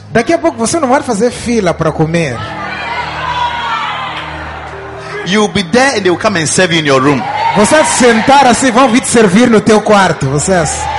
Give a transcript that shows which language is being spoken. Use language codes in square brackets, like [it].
[pt] Daqui a pouco você não vai fazer fila para comer. [en] You will be there and they will come and serve you in your room. [pt] Você vai sentar assim, vão vir te servir no teu quarto, vocês.